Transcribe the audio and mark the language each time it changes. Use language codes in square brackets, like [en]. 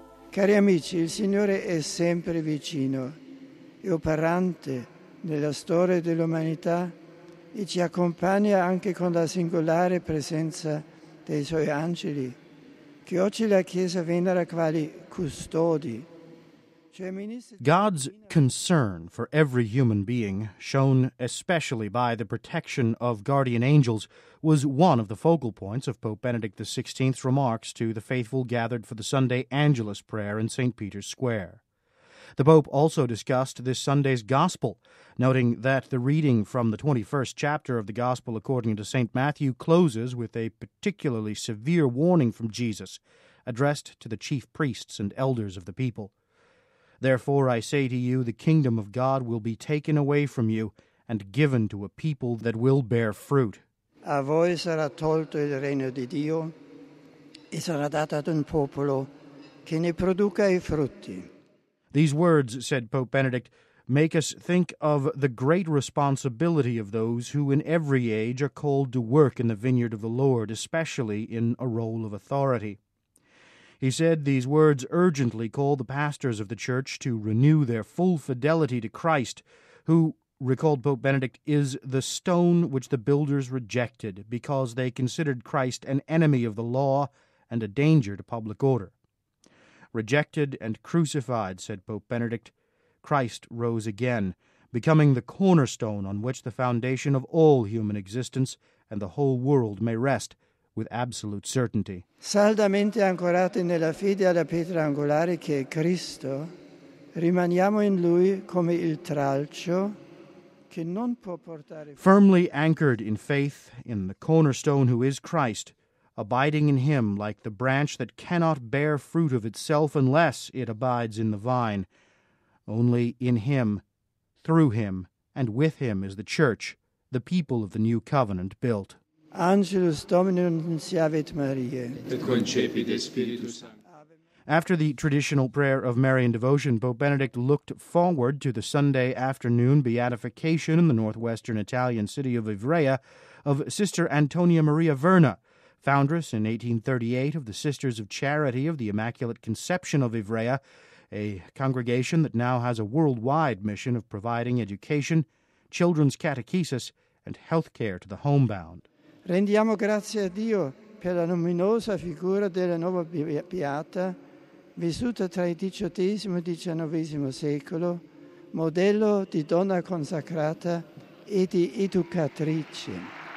[it] Cari amici, il Signore è sempre vicino e operante nella storia dell'umanità e ci accompagna anche con la singolare presenza dei Suoi angeli, che oggi la Chiesa venera quali custodi. [en] God's concern for every human being, shown especially by the protection of guardian angels, was one of the focal points of Pope Benedict XVI's remarks to the faithful gathered for the Sunday Angelus prayer in St. Peter's Square. The Pope also discussed this Sunday's Gospel, noting that the reading from the 21st chapter of the Gospel according to St. Matthew closes with a particularly severe warning from Jesus, addressed to the chief priests and elders of the people. Therefore, I say to you, the kingdom of God will be taken away from you and given to a people that will bear fruit. [it] A voi sarà tolto il regno di Dio e sarà dato ad un popolo che ne produca i frutti. [en] These words, said Pope Benedict, make us think of the great responsibility of those who in every age are called to work in the vineyard of the Lord, especially in a role of authority. He said these words urgently call the pastors of the Church to renew their full fidelity to Christ, who, recalled Pope Benedict, is the stone which the builders rejected because they considered Christ an enemy of the law and a danger to public order. Rejected and crucified, said Pope Benedict, Christ rose again, becoming the cornerstone on which the foundation of all human existence and the whole world may rest, with absolute certainty. [it] Saldamente ancorati nella fede alla pietra angolare che è Cristo, rimaniamo in Lui come il tralcio che non può portare. [en] Firmly anchored in faith in the cornerstone who is Christ, abiding in Him like the branch that cannot bear fruit of itself unless it abides in the vine. Only in Him, through Him, and with Him is the Church, the people of the new covenant built. [la] Angelus Domini nunciavit Mariae. Et concepit Spiritus Sanctus. [en] After the traditional prayer of Marian devotion, Pope Benedict looked forward to the Sunday afternoon beatification in the northwestern Italian city of Ivrea of Sister Antonia Maria Verna, foundress in 1838 of the Sisters of Charity of the Immaculate Conception of Ivrea, a congregation that now has a worldwide mission of providing education, children's catechesis, and health care to the homebound. [it] Rendiamo grazie a Dio per la luminosa figura della nuova beata, vissuta tra il XVIII e XIX secolo, modello di donna consacrata e di educatrice.